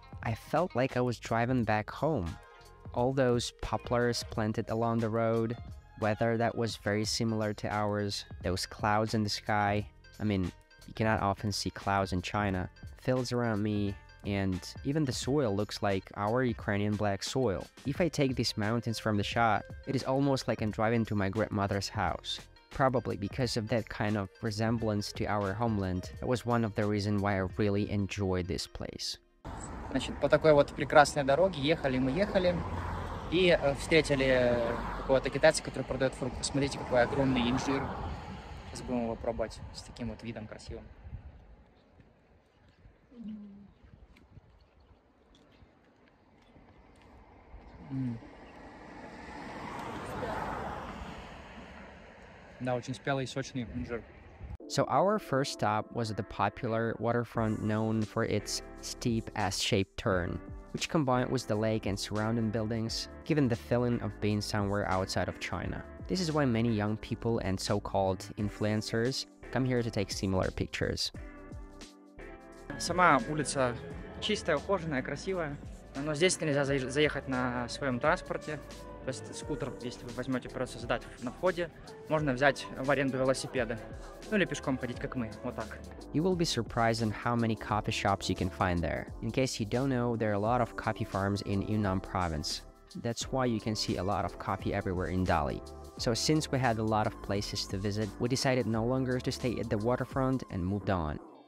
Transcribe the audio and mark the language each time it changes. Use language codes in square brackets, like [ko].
[en] I felt like I was driving back home. All those poplars planted along the road, weather that was very similar to ours, those clouds in the sky, I mean, you cannot often see clouds in China, fields around me, and even the soil looks like our Ukrainian black soil. If I take these mountains from the shot, it is almost like I'm driving to my grandmother's house. Probably because of that kind of resemblance to our homeland, that was one of the reasons why I really enjoyed this place. [ru] Значит, по такой вот прекрасной дороге ехали, и встретили какого-то китайца, который продает фрукты. Смотрите, какой огромный инжир. Сейчас будем его пробовать с таким вот видом красивым. Да, очень спелый и сочный инжир. [en] So our first stop was at the popular waterfront known for its steep S-shaped turn, which combined with the lake and surrounding buildings, given the feeling of being somewhere outside of China. This is why many young people and so-called influencers come here to take similar pictures. [ru] Сама улица чистая, ухоженная, красивая, но здесь нельзя заехать на своем транспорте. То есть скутер, если вы возьмете, просто сдать на входе, можно взять в аренду велосипеды. Ну или пешком ходить, как мы, вот так. [en] You will be surprised on how many coffee shops you can find there. In case you don't know, there are a lot of coffee farms in Yunnan province. That's why you can see a lot of coffee everywhere in Delhi. So since we had a lot of places to visit, we decided no longer to stay at the waterfront and moved on.